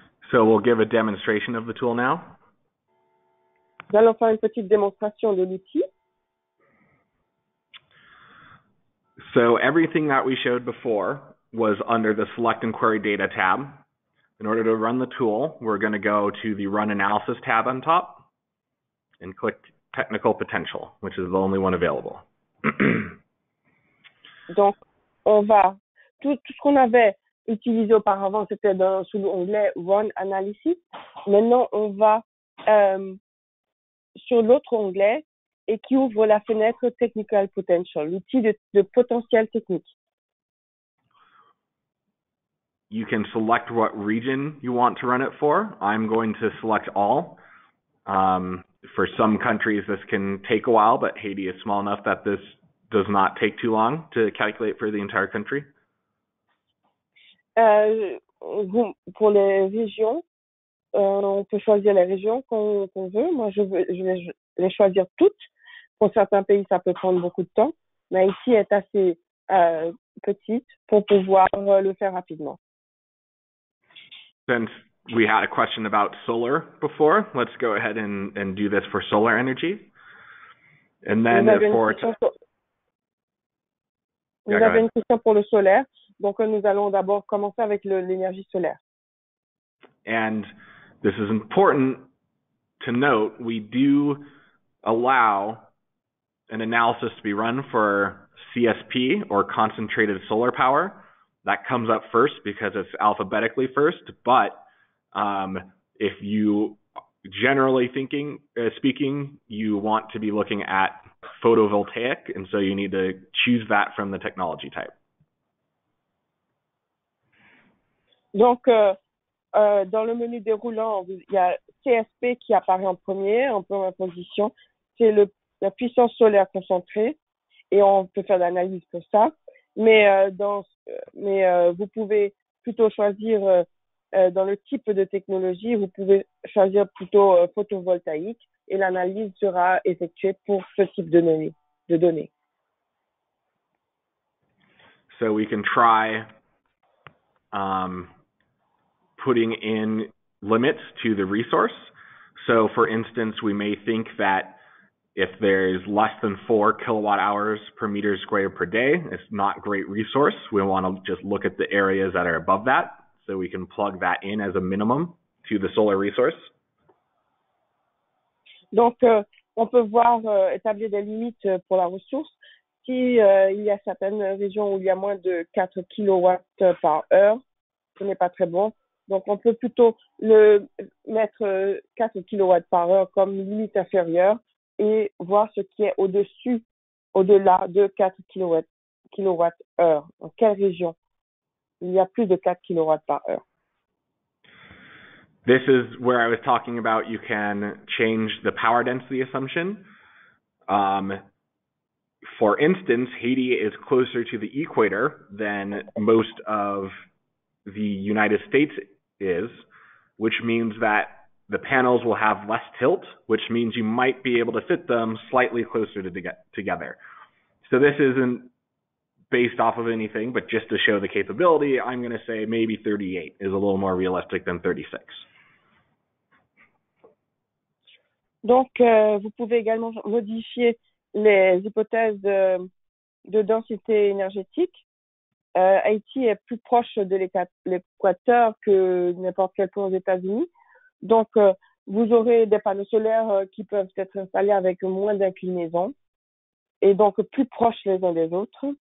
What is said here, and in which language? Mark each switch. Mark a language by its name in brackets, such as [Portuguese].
[English] So we'll give a demonstration of the tool now. [French] Nous allons faire une petite démonstration de l'outil. [English] So everything that we showed before was under the Select and Query Data tab. In order to run the tool, we're going to go to the Run Analysis tab on top and click Technical Potential, which is the only one available. [French] Donc, on va. Tout ce qu'on avait utilisé auparavant, c'était sous l'onglet Run Analysis. Maintenant, on va sur l'autre onglet et qui ouvre la fenêtre Technical Potential, l'outil de potentiel technique. [English] You can select what region you want to run it for. I'm going to select all. For some countries, this can take a while, but Haiti is small enough that this does not take too long to calculate for the entire country. [French] Pour les régions, on peut choisir les régions qu'on veut. Moi, je vais les choisir toutes. Pour certains pays, ça peut prendre beaucoup de temps, mais ici est assez petite pour pouvoir le faire rapidement. [English] Since we had a question about solar before, let's go ahead and do this for solar energy. And then for... [French] Nous avons une question pour le solaire. Donc, nous allons d'abord commencer avec l'énergie solaire. [English] And this is important to note, we do allow an analysis to be run for CSP or concentrated solar power. That comes up first because it's alphabetically first, but if you, generally speaking, you want to be looking at photovoltaic, and so you need to choose that from the technology type. [French] Donc, dans le menu déroulant, il y a CSP qui apparaît en première position. C'est la puissance solaire concentrée, et on peut faire l'analyse pour ça. Mais vous pouvez plutôt choisir dans le type de technologie, vous pouvez choisir plutôt photovoltaïque et l'analyse sera effectuée pour ce type de données. [English] So we can try putting in limits to the resource. So for instance, we may think that if there's less than 4 kilowatt hours per meter squared per day, it's not great resource. We want to just look at the areas that are above that, so we can plug that in as a minimum to the solar resource. [French] Donc, on peut voir établir des limites pour la ressource. Si il y a certaines régions où il y a moins de 4 kilowatts par heure, ce n'est pas très bon. Donc, on peut plutôt le mettre 4 kWh par heure comme limite inférieure et voir ce qui est au-dessus, au-delà de 4 kWh. Dans quelle région il y a plus de 4 kWh par heure? [English] This is where I was talking about. You can change the power density assumption. For instance, Haiti is closer to the equator than most of the United States is, which means that the panels will have less tilt, which means you might be able to fit them slightly closer to together. So this isn't based off of anything, but just to show the capability, I'm going to say maybe 38 is a little more realistic than 36. [French] Donc, vous pouvez également modifier les hypothèses de densité énergétique. Haïti est plus proche de l'équateur que n'importe quel point aux États-Unis. Donc, vous aurez des panneaux solaires qui peuvent être installés avec moins d'inclinaison et donc plus proches les uns des autres.